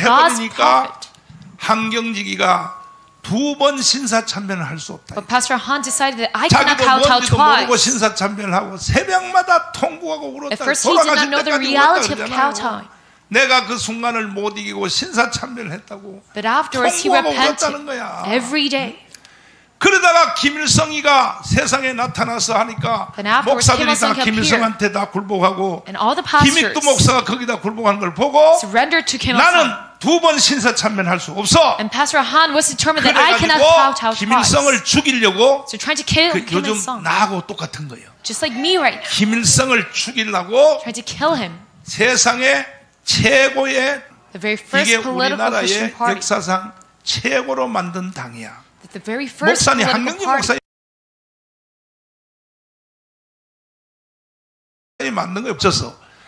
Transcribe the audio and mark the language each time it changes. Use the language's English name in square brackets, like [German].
[Korean] 해버리니까 한경직이가 두 번 신사 참배를 할 수 없다. [English] But Pastor Han decided that I cannot kowtow twice. [Korean] 자기도 모르고 신사 참배를 하고 새벽마다 통곡하고 울었다. [English] At first he did not know the reality of kowtowing. [Korean] 내가 그 순간을 못 이기고 신사 참배를 했다고. [English] But afterwards he repented every day. [Korean] 그러다가 김일성이가 세상에 나타나서 하니까 목사들이 다 김일성한테 다 굴복하고 김익두 목사가 거기다 굴복하는 걸 보고 나는 두 번 신사 참배를 할 수 없어. [English] And Pastor Han was determined that I cannot kowtow twice. [Korean] 김일성을 죽이려고 [English] so trying to kill [Korean] 그 요즘 나하고 똑같은 거예요. [English] Just like me right now. [Korean] 김일성을 죽이려고 [English] trying to kill him. [Korean] 세상에 최고의 [English] The very first [Korean] 이게 우리나라의 [English] party. [Korean] 역사상 최고로 만든 당이야. [English] The very first [Korean] 목사님 한경림 목사님 만든 거 없었어.